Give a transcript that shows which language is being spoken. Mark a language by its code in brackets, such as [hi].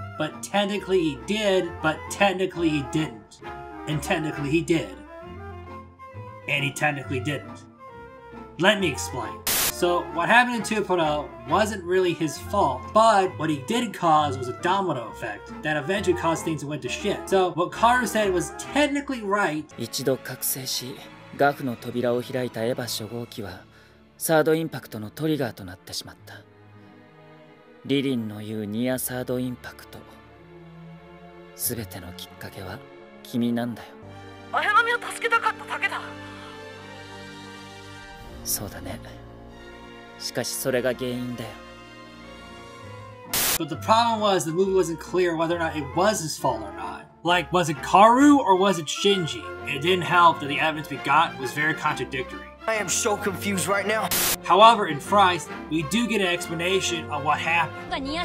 [en] But technically he did, but technically he didn't. And technically he did. And he technically didn't. Let me explain. So what happened in 2.0 wasn't really his fault, but what he did cause was a domino effect that eventually caused things that went to shit. So what Karu said was technically right. [ja] 一度覚醒し、 ガフの扉を開いたエヴァ初号機はサードインパクトのトリガーとなってしまった。リリンの言うニアサードインパクト。全てのきっかけは君なんだよ。あやなみを助けたかっただけだ。そうだね。しかしそれが原因だよ。 [en] But the problem was the movie wasn't clear whether or not it was his fault or not. Like, was it Karu or was it Shinji? It didn't help that the evidence we got was very contradictory. I am so confused right now. However, in Fries, we do get an explanation of what happened.